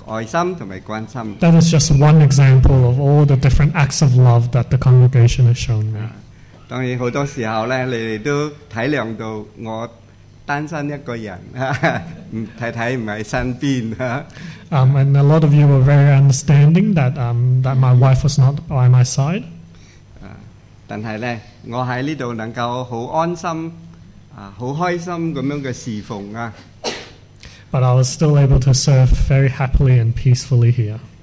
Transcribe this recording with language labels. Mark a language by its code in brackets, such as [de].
[en] That is just one example of all the different acts of love that the congregation has shown me. [zh] 當然很多時候你們都體諒到我 [en] And a lot of you were very understanding that that my wife was not by my side. [zh] 但是呢,我在這裡能夠很安心,很開心地侍奉啊。 [en] But I was still able to serve very happily and peacefully here.